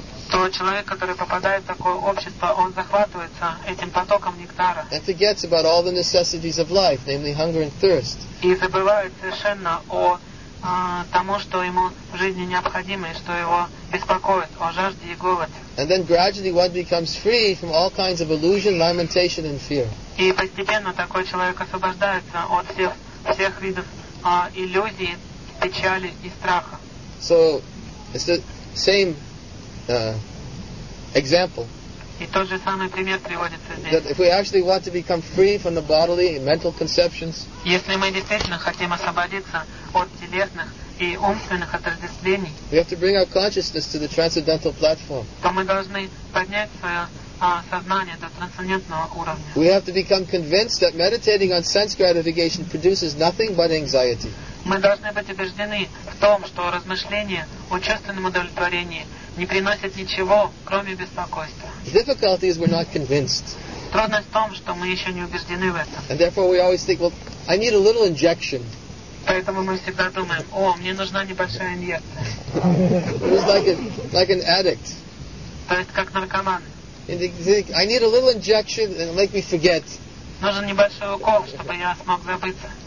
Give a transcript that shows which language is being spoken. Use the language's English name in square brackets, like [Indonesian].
[Russian] То человек, который попадает в такое общество, он захватывается этим потоком нектара. [English] And forgets about all the necessities of life, namely hunger and thirst. [Russian] И забывает совершенно о тому, что ему в жизни необходимо и что его беспокоит, о жажде и голоде. [English] And then gradually one becomes free from all kinds of illusion, lamentation and fear. [Russian] И постепенно такой человек освобождается от всех видов иллюзий, печали и страха. [English] So it's the same example. [Russian] И тот же самый пример приводится здесь. [English] That if we actually want to become free from the bodily and mental conceptions, [Russian] если мы действительно хотим освободиться от телесных и умственных отождествлений, [English] we have to bring our consciousness to the transcendental platform. [Russian] То мы должны поднять свое сознание до трансцендентного уровня. [English] We have to become convinced that meditating on sense gratification produces nothing but anxiety. [Russian] Мы должны быть убеждены в том, что размышление о чувственном удовлетворении не приносит ничего, кроме беспокойства. [English] Difficulty is we're not convinced. [Russian] Трудность в том, что мы еще не убеждены в этом. [English] And therefore we always think, well, I need a little injection. [Russian] Поэтому мы всегда думаем, о, мне нужна небольшая инъекция. [English] It's like an addict. [Russian] То есть как наркоман. [English] And think, I need a little injection and make me forget. [Russian] Нужен небольшой укол, чтобы я смог забыться.